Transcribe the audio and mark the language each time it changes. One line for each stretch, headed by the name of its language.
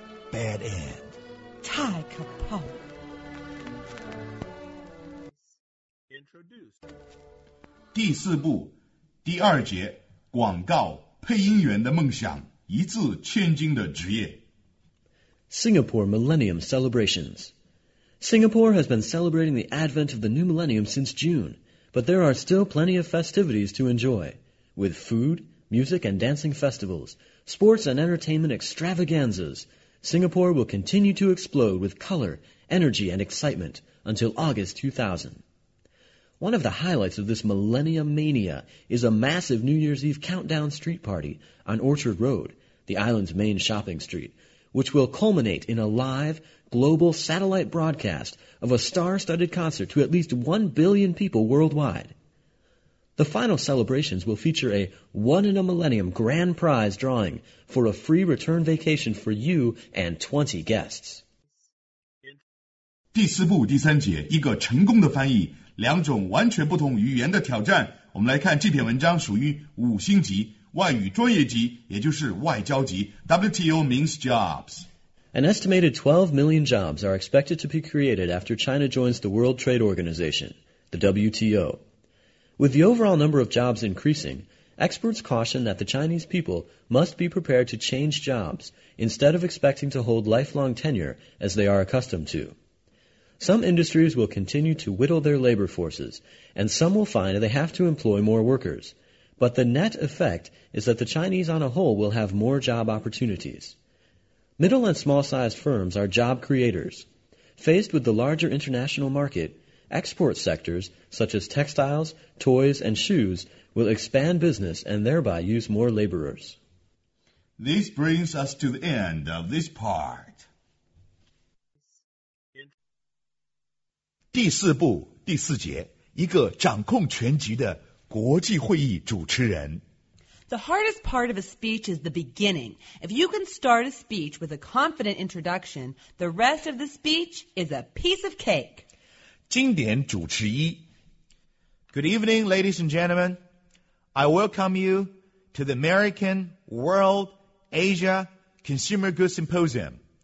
English: Bad end.
Chinese: 太可怕了。
English: Introduced.
Chinese: 第四部，第二节，广告配音员的梦想，一字千金的职业。
English: Singapore Millennium Celebrations. Singapore has been celebrating the advent of the new millennium since June. But there are still plenty of festivities to enjoy, with food, music and dancing festivals, sports and entertainment extravaganzas. Singapore will continue to explode with color, energy and excitement until August 2000. One of the highlights of this millennium mania is a massive New Year's Eve countdown street party on Orchard Road, the island's main shopping street, which will culminate in a live,global satellite broadcast of a star-studded concert to at least 1 billion people worldwide. The final celebrations will feature a one-in-a-millennium grand prize drawing for a free return vacation for you and 20 guests.
Chinese: 第四部第三节，一个成功的翻译，两种完全不同语言的挑战。我们来看这篇文章，属于五星级外语专业级，也就是外交级。
English: WTO means jobs. An estimated 12 million jobs are expected to be created after China joins the World Trade Organization, the WTO. With the overall number of jobs increasing, experts caution that the Chinese people must be prepared to change jobs instead of expecting to hold lifelong tenure as they are accustomed to. Some industries will continue to whittle their labor forces, and some will find they have to employ more workers. But the net effect is that the Chinese on a whole will have more job opportunities. Middle and small-sized firms are job creators. Faced with the larger international market, export sectors such as textiles, toys, and shoes will expand business and thereby use more laborers. This brings us to the end of this part.
Chinese: 第四部第四节，一个掌控全局的国际会议主持人。
English: The hardest part of a speech is the beginning. If you can start a speech with a confident introduction, the rest of the speech is a piece of cake.
Chinese: 经典主持一。
English: Good evening, ladies and gentlemen. I welcome you to the American World Asia Consumer Goods Symposium.